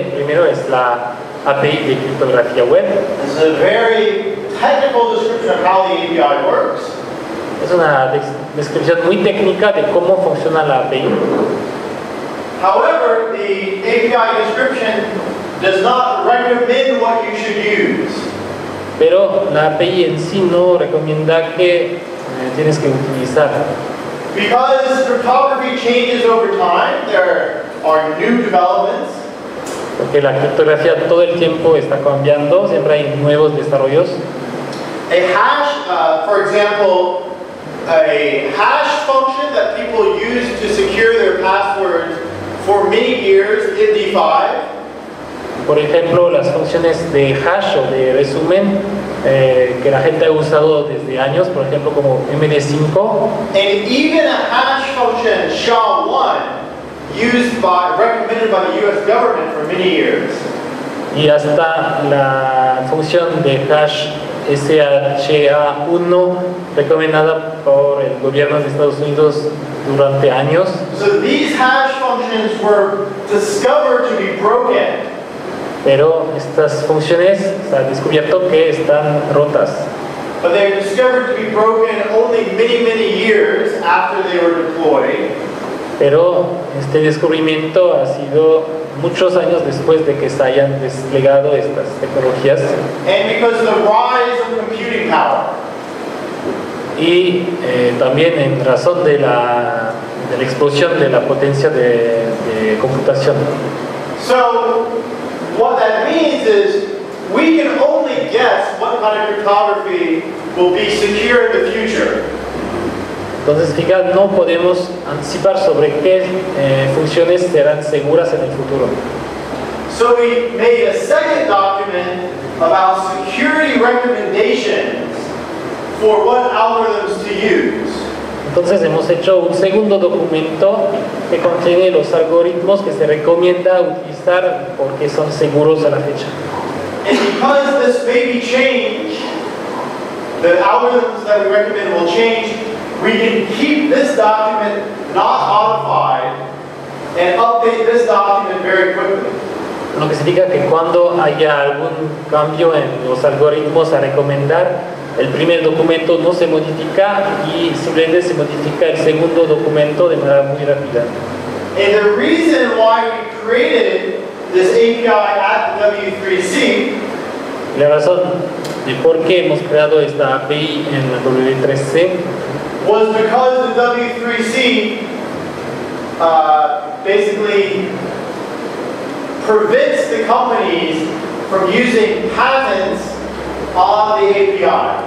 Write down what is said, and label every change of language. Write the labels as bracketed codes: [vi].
[es] El primero es la API de criptografía web. [en] It's a very technical description of how the API works. [es] Es una descripción muy técnica de cómo funciona la API. [en] However, the API description does not recommend what you should use. [es] Pero la API en sí no recomienda qué tienes que utilizar. [en] Because cryptography changes over time, there are new developments. [es] Porque la criptografía todo el tiempo está cambiando, siempre hay nuevos desarrollos. [en] A hash, for example, a hash function that people use to secure their passwords for many years in DeFi. [es] Por ejemplo, las funciones de hash o de resumen que la gente ha usado desde años, por ejemplo, como MD5. [en] And even a hash function SHA-1 used by, recommended by the US government for many years. [es] Y hasta la función de hash SHA-1 recomendada por el gobierno de Estados Unidos durante años. [en] So these hash functions were discovered to be broken. [es] Pero estas funciones se han descubierto que están rotas. [en] But they were discovered to be broken only many, many years after they were deployed. [es] Pero este descubrimiento ha sido muchos años después de que se hayan desplegado estas tecnologías. [en] And because of the rise of computing power. [es] Y también en razón de la explosión de la potencia de computación. [en] So, what that means is we can only guess what kind of cryptography will be secure in the future. [es] Entonces, fíjate, no podemos anticipar sobre qué funciones serán seguras en el futuro. [en] So we made a second document about security recommendations for what algorithms to use. [es] Entonces hemos hecho un segundo documento que contiene los algoritmos que se recomienda utilizar porque son seguros a la fecha. [en] And because this may be change, the algorithms that we recommend will change, we can keep this document not modified and update this document very quickly. [es] Lo que significa que cuando haya algún cambio en los algoritmos a recomendar, el primer documento no se modifica y simplemente se modifica el segundo documento de manera muy rápida. [en] And the reason why we created this API at W3C, [es] la razón de por qué hemos creado esta API en la W3C, [en] was because the W3C basically prevents the companies from using patents on the API.